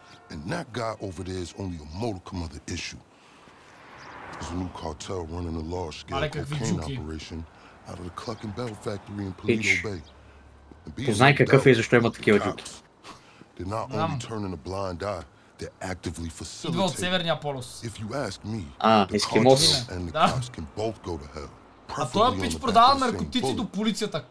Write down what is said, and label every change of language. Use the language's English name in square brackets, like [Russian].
[English] And that guy over there is only a modicum of the issue. There's a new cartel running a large-scale cocaine operation out of the Cluck and Bell factory in Palito Bay. [Bulgarian] Познай какъв е, защо има такива джуки. [English] They're not only turning a blind eye, they're actively facilitating. If you ask me, the cartel and the cops can both go to hell. [Bulgarian] А тоя пич продава наркотици до полицията.